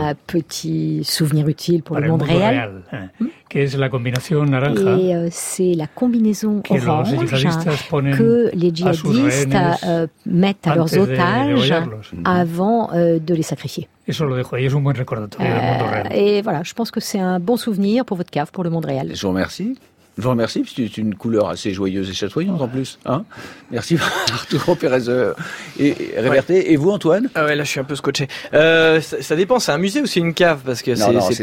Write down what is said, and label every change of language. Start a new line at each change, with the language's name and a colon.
French: Un petit souvenir utile pour le monde réel.
Spanish: Que es la combinación naranja.
French: Et c'est la combinaison orange que les djihadistes mettent à leurs otages avant de les sacrifier.
Spanish: Eso lo dejo ahí, es un buen recordatorio del mundo real.
French: Et voilà, je pense que c'est un bon souvenir pour votre cave, pour le monde réel. Je vous remercie. Je vous remercie, parce que c'est une couleur assez joyeuse et chatoyante en plus. Hein, merci, Arturo Pérez et Reverté. Ouais. Et vous, Antoine? Ah ouais, là, je suis un peu scotché. Ça dépend, c'est un musée ou c'est une cave? Parce que c'est